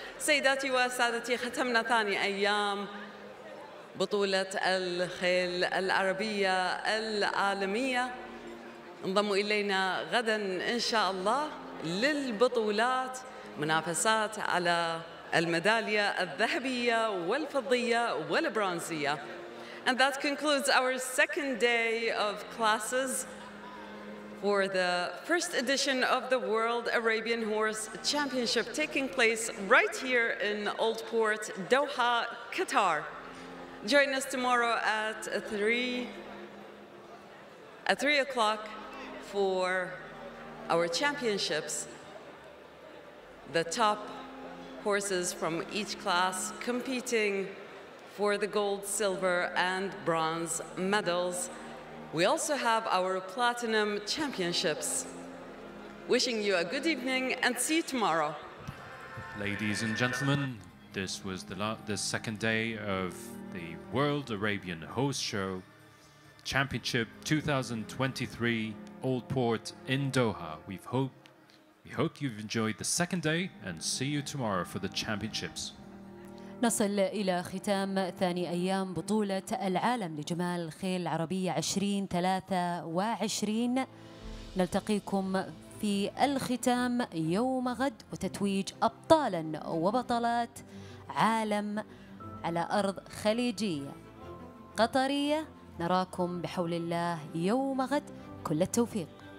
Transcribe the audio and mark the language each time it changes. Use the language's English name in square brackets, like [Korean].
[Arabic] سيداتي وسادتي، ختمنا ثاني أيام بطولة الخيل العربية العالمية. انضموا إلينا غدا إن شاء الله للبطولات، منافسات على الميدالية الذهبية والفضية والبرونزية. [English] And that concludes our second day of classes for the first edition of the World Arabian Horse Championship taking place right here in Old Port, Doha, Qatar. Join us tomorrow at 3 o'clock for our championships. The top horses from each class competing for the gold, silver, and bronze medals. We also have our platinum championships. Wishing you a good evening and see you tomorrow. Ladies and gentlemen, this was the second day of the World Arabian Horse Show Championship 2023, Old Port in Doha. We hope you've enjoyed the second day and see you tomorrow for the championships. [Arabic] نصل إلى ختام ثاني أيام بطولة العالم لجمال الخيل العربية 2023. نلتقيكم في الختام يوم غد وتتويج أبطالا وبطلات عالم على أرض خليجية قطرية. نراكم بحول الله يوم غد، كل التوفيق.